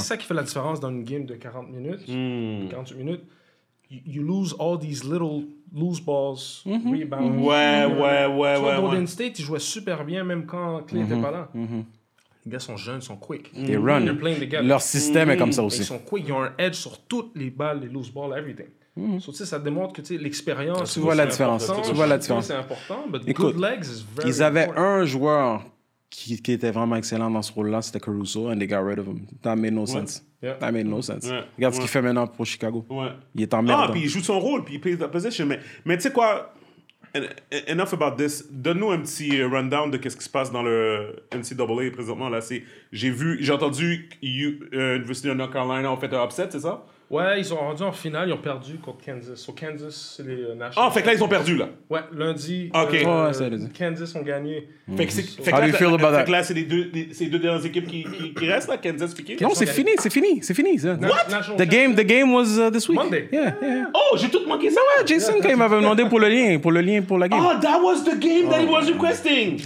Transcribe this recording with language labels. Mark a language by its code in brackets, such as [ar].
[fr] C'est ça qui fait la différence dans une game de 40 minutes, 48 minutes. [en] You lose all these little loose balls, rebounds. [fr] Ouais. Golden State, ils jouaient super bien même quand Clay n'était pas là. Mm-hmm. Les gars sont jeunes, ils sont quick. [en] They run. They're playing together. [fr] Leur système est comme ça aussi. Ils sont quick. Ils ont un edge sur toutes les balles, les loose balls, everything. So, ça démontre que l'expérience... Tu vois la différence. C'est important, [en] but [fr] écoute, [en] good legs is very important. [fr] Ils avaient un joueur qui était vraiment excellent dans ce rôle-là, c'était Caruso, [en] and they got rid of him. That made no sense. [fr] Ouais. Regarde ce qu'il fait maintenant pour Chicago. Ouais. Il est en merde. Ah, puis il joue son rôle, puis il paye sa position. Mais tu sais quoi? [en] Enough about this. [fr] Donne-nous un petit rundown de qu'est-ce qui se passe dans le NCAA présentement. Là, c'est, j'ai entendu University of North Carolina ont fait un upset, c'est ça? Ouais, ils ont rendu en finale, ils ont perdu contre Kansas. So Kansas, c'est les Nationals. Ah, oh, fait que là, ils ont perdu, là. Ouais, lundi. OK. Kansas ont gagné. Fait que là, c'est les deux dernières équipes qui restent, là, Kansas et Kansas. Non, c'est fini, c'est fini, c'est fini. C'est... [en] What? The game was this week. Monday. Yeah. [fr] Oh, j'ai tout manqué ça. Non, ouais, Jason Kay m'avait demandé pour le lien pour la game. [en] Oh, that was the game that he was requesting.